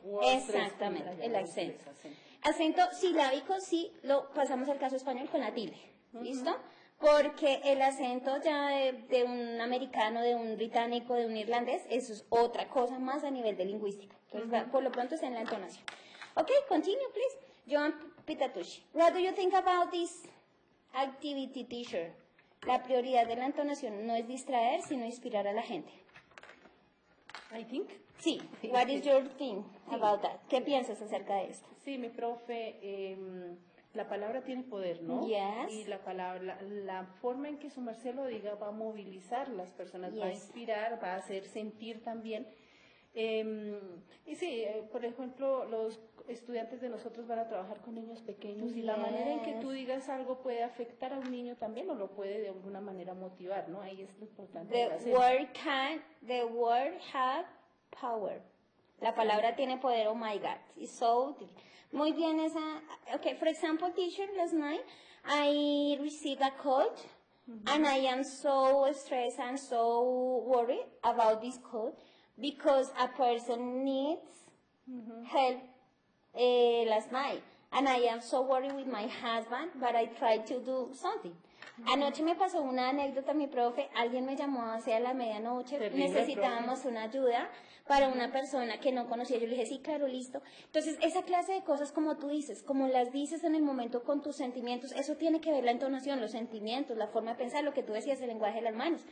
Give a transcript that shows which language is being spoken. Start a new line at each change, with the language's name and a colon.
Spanish: Word exactamente, stress, el acento. Stress, acento. Acento silábico, sí, lo pasamos al caso español con la tilde, ¿listo? Porque el acento ya de un americano, de un británico, de un irlandés, eso es otra cosa más a nivel de lingüística. Entonces, por lo pronto está en la entonación.
English: Ok, continue, please. John Pitatushi. What do you think about this activity teacher?
Spanish: La prioridad de la entonación no es distraer, sino inspirar a la gente.
English: I think.
Spanish: Sí.
English: What is your thing about that?
Spanish: ¿Qué piensas acerca de esto? Sí, mi profe... La palabra tiene poder, ¿no?
English: Yes.
Spanish: Y la palabra, la forma en que su merced lo diga va a movilizar a las personas, yes. Va a inspirar, va a hacer sentir también. Y sí, por ejemplo, los estudiantes de nosotros van a trabajar con niños pequeños, yes. Y la manera en que tú digas algo puede afectar a un niño también o lo puede de alguna manera motivar, ¿no? Ahí es lo importante.
English: The word have power.
Spanish: La palabra tiene poder,
English: oh my God, it's so deep.
Spanish: Muy bien esa,
English: okay, for example, teacher, last night, I received a code, and I am so stressed and so worried about this code, because a person needs help last night, and I am so worried with my husband, but I tried to do something.
Spanish: Anoche me pasó una anécdota, mi profe, alguien me llamó hacia la medianoche, necesitábamos una ayuda para una persona que no conocía, yo le dije, sí, claro, listo. Entonces, esa clase de cosas como tú dices, como las dices en el momento con tus sentimientos, eso tiene que ver la entonación, los sentimientos, la forma de pensar, lo que tú decías, el lenguaje de las manos.